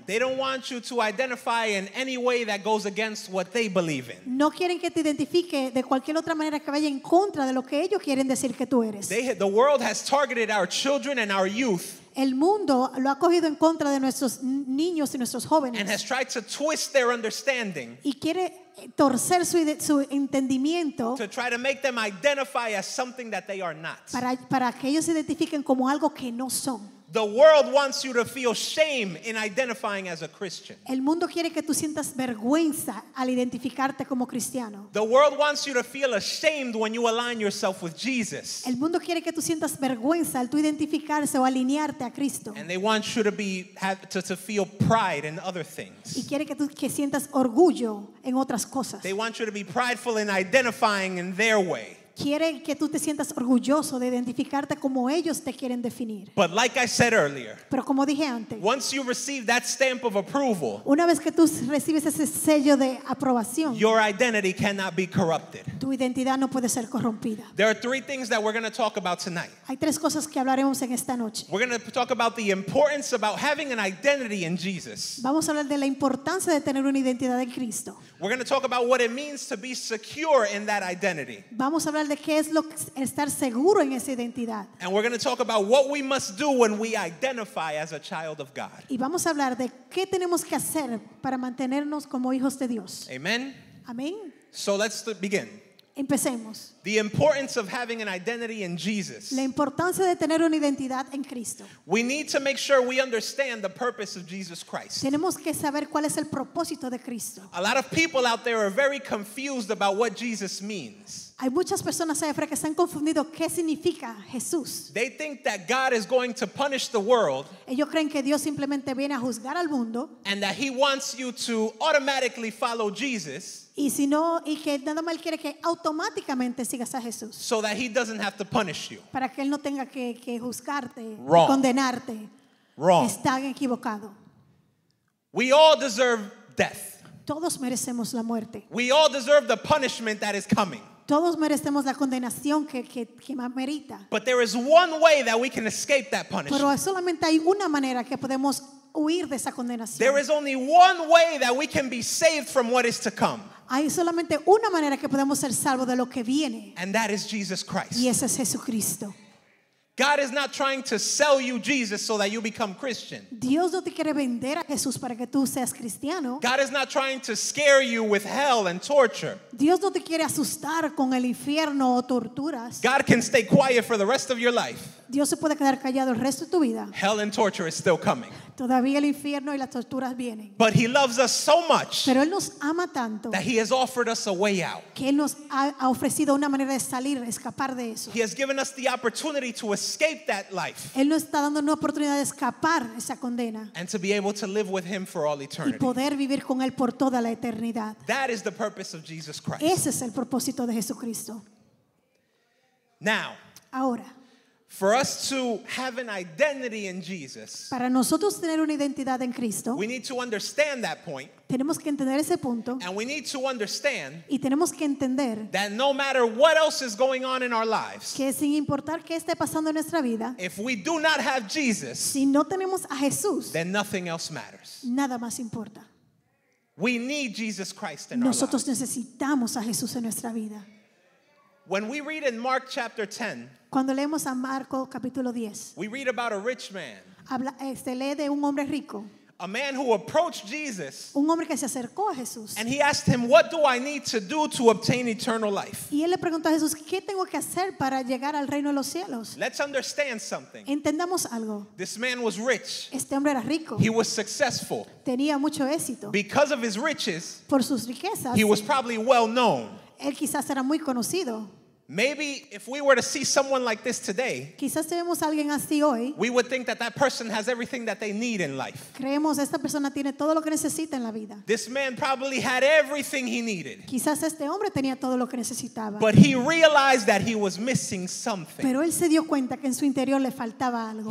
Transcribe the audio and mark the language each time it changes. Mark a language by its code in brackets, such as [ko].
[en] They don't want you to identify in any way that goes against what they believe in. [es] No quieren que te identifique de cualquier otra manera que vaya en contra de lo que ellos quieren decir que tú eres. [en] The world has targeted our children and our youth. [es] El mundo lo ha cogido en contra de nuestros niños y nuestros jóvenes. [en] And has tried to twist their understanding. [es] Y quiere torcer su entendimiento [en] to try to make them identify as something that they are not. [es] Para que ellos se identifiquen como algo que no son. [en] The world wants you to feel shame in identifying as a Christian. [es] El mundo quiere que tú sientas vergüenza al identificarte como cristiano. [en] The world wants you to feel ashamed when you align yourself with Jesus. [es] El mundo quiere que tú sientas vergüenza al tú identificarse o alinearte a Cristo. [en] And they want you to feel pride in other things. [es] Y quiere que tú que sientas orgullo en otras cosas. [en] They want you to be prideful in identifying in their way. [es] Quiere que tú te sientas orgulloso de identificarte como ellos te quieren definir. [en] But like I said earlier, [es] pero como dije antes, [en] once you receive that stamp of approval, [es] una vez que tú recibes ese sello de aprobación, [en] your identity cannot be corrupted. [es] Tu identidad no puede ser corrompida. [en] There are three things that we're going to talk about tonight. [es] Hay tres cosas que hablaremos en esta noche. [en] We're going to talk about the importance about having an identity in Jesus. [es] Vamos a hablar de la importancia de tener una identidad en Cristo. [en] We're going to talk about what it means to be secure in that identity. [es] Vamos a hablar de qué es lo estar seguro en esa identidad. [en] And we're going to talk about what we must do when we identify as a child of God. [es] Y vamos a hablar de qué tenemos que hacer para mantenernos como hijos de Dios. [en] Amen. [es] Amén. [en] So let's begin. [es] Empecemos. [en] The importance of having an identity in Jesus. [es] La importancia de tener una identidad en Cristo. [en] We need to make sure we understand the purpose of Jesus Christ. [es] Tenemos que saber cuál es el propósito de Cristo. [en] A lot of people out there are very confused about what Jesus means. [es] Hay muchas personas allá afuera que están confundidos qué significa Jesús. [en] They think that God is going to punish the world. [es] Ellos creen que Dios simplemente viene a juzgar al mundo. [en] And that he wants you to automatically follow Jesus. [es] Y si no, y que nada más quiere que automáticamente sigas a Jesús. [en] So that he doesn't have to punish you. [es] Para que él no tenga que juzgarte, [en] wrong, [es] condenarte. [en] Wrong. [es] Están equivocado. [en] We all deserve death. [es] Todos merecemos la muerte. [en] We all deserve the punishment that is coming. [es] Todos merecemos la condenación que más merita. [en] But there is one way that we can escape that punishment. [es] Pero solamente hay una manera que podemos huir de esa condenación. [en] There is only one way that we can be saved from what is to come. [es] Hay solamente una manera que podemos ser salvos de lo que viene. [en] And that is Jesus Christ. [es] Y ese es Jesucristo. [en] God is not trying to sell you Jesus so that you become Christian. [es] Dios no te quiere vender a Jesús para que tú seas cristiano. [en] God is not trying to scare you with hell and torture. [es] Dios no te quiere asustar con el infierno o torturas. [en] God can stay quiet for the rest of your life. [es] Dios se puede quedar callado el resto de tu vida. [en] Hell and torture is still coming. [es] Todavía el infierno y las torturas vienen. [en] But he loves us so much. [es] Pero él nos ama tanto. [en] That he has offered us a way out. [es] Que él nos ha ofrecido una manera de salir, escapar de eso. [en] He has given us the opportunity to escape that life. [es] Él nos está dando una oportunidad de escapar esa condena. [en] And to be able to live with him for all eternity. [es] Y poder vivir con él por toda la eternidad. [en] That is the purpose of Jesus Christ. [es] Ese es el propósito de Jesucristo. [en] Now. [es] Ahora. [en] For us to have an identity in Jesus, [es] para nosotros tener una identidad en Cristo, [en] we need to understand that point. [es] Tenemos que entender ese punto. [en] And we need to understand, [es] y tenemos que entender, [en] that no matter what else is going on in our lives, [es] que sin importar qué esté pasando en nuestra vida, [en] if we do not have Jesus, [es] si no tenemos a Jesús, [en] then nothing else matters. [es] Nada más importa. [en] We need Jesus Christ in [es] nosotros [en] our lives. [es] Nosotros necesitamos a Jesús en nuestra vida. [en] When we read in Mark chapter 10, [es] cuando leemos a Marco capítulo 10, [en] we read about a rich man. [es] Se lee de un hombre rico. [en] a man who approached Jesus. [es] Un hombre que se acercó a Jesús. [en] And he asked him, "What do I need to do to obtain eternal life?" [es] Y él le preguntó a Jesús, "¿Qué tengo que hacer para llegar al reino de los cielos?" [en] Let's understand something. [es] Entendamos algo. [en] This man was rich. [es] Este hombre era rico. [en] He was successful. [es] Tenía mucho éxito. [en] Because of his riches. [es] Por sus riquezas. [en] He was probably well known. [es] Él quizás era muy conocido. [en] Maybe if we were to see someone like this today, [es] quizás si vemos a alguien así hoy, [en] we would think that that person has everything that they need in life. [es] Creemos esta persona tiene todo lo que necesita en la vida. [en] This man probably had everything he needed. [es] Quizás este hombre tenía todo lo que necesitaba. [en] But he realized that he was missing something. [es] Pero él se dio cuenta que en su interior le faltaba algo.